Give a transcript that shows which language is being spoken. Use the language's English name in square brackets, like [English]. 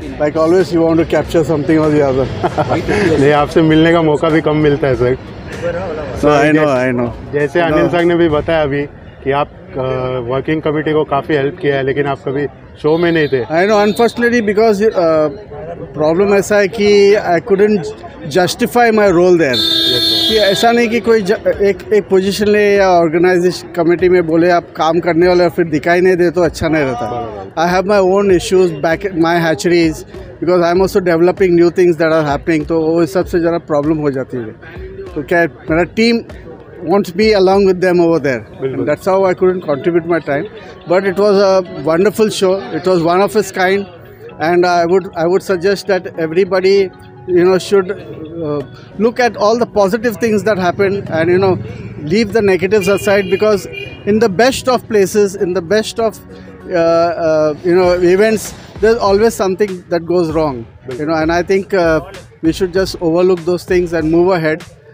[English] Like always, you want to capture something or the other. [Hindi] नहीं, आपसे मिलने का मौका भी कम मिलता है सर। [English] So I know. [Hindi] जैसे अनिल सर ने भी बताया अभी कि आप वर्किंग कमिटी को काफी हेल्प किया है, लेकिन आप कभी शो में नहीं थे। [English] I know, unfortunately because problem [Hindi] ऐसा है कि [English] I couldn't justify my role there. [Hindi] ऐसा नहीं कि कोई एक पोजिशन ले या ऑर्गेनाइजेशन कमेटी में बोले आप काम करने वाले, फिर दिखाई नहीं दे तो अच्छा नहीं रहता। [English] I have my own issues back my hatcheries because I am also developing new things that are happening, [Hindi] तो वो सबसे ज़रा प्रॉब्लम हो जाती [English] है। [Hindi] तो क्या मेरा team [English] wants be along with them over there, and that's how I couldn't contribute my time, but it was a wonderful show. It was one of its kind, and I would suggest that everybody, you know, should look at all the positive things that happened and, you know, leave the negatives aside, because in the best of places, in the best of you know, events, there's always something that goes wrong, you know, and I think we should just overlook those things and move ahead.